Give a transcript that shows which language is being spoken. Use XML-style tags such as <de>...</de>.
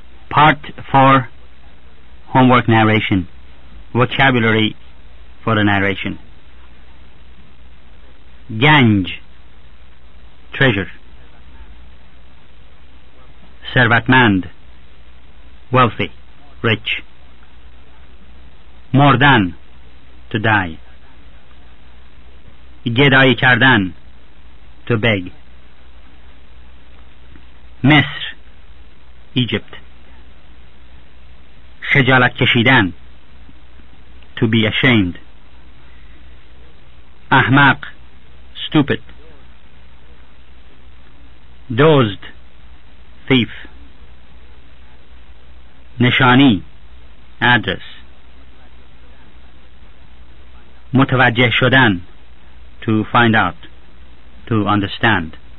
<en>Part 4, Homework Narration, Vocabulary for the Narration.</en> <fa>گنج، treasure.</fa> <en>ثروتمند، wealthy, rich. مردن، to die. گدایی کردن، to beg.</en> <fa>مصر، Egypt.</fa> <en>خجالت کشیدن، to be ashamed.</en> <fa>احمق، stupid. دزد، thief. نشانی، address.</fa> <en>متوجه شدن، to find out, to understand.</en>